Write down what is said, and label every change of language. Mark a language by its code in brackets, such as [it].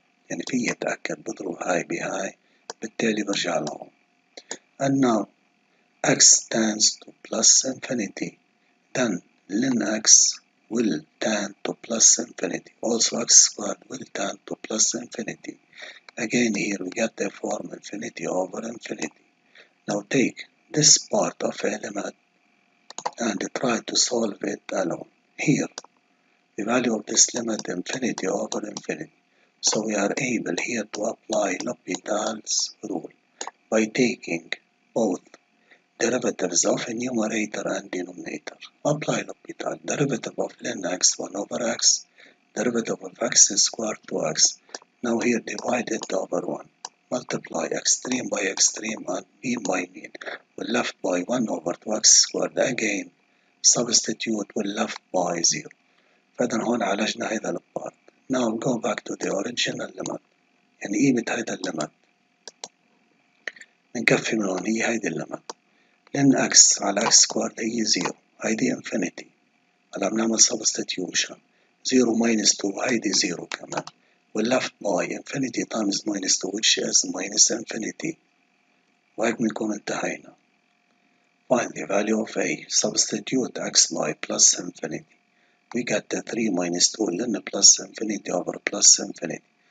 [ar] يعني في يتأكد بضرب هاي بهاي، بالتالي برجع لهم. [en] And now x tends to plus infinity. Then ln x will tend to plus infinity. Also x squared will tend to plus infinity. Again, here we get the form infinity over infinity. Now take this part of a limit and try to solve it alone. Here, the value of this limit infinity over infinity. So we are able here to apply L'Hopital's rule by taking both derivatives of a numerator and denominator. Apply L'Hopital. Derivative of ln x 1 over x, derivative of x squared 2x. Now here divide it over 1, multiply extreme by extreme and mean by mean, we're left by 1 over 2x squared again, substitute we're left by 0. [ar] فإذن هون عالجنا هذا البارت. [en] Now go back to the original limit. [ar] يعني قيمة هذا الليمت نكفي من هون، هي هذه الليمت لأن x على x squared هي 0، هذه infinity. هلا بنعمل substitution 0 minus 2 هذه 0 كمان. [en] We're left by infinity times minus 2, which is minus infinity. [ar] وهيك بنكون انتهينا. [en] Find the value of a. Substitute x by plus infinity. We get the 3 minus 2 ln plus infinity over plus infinity.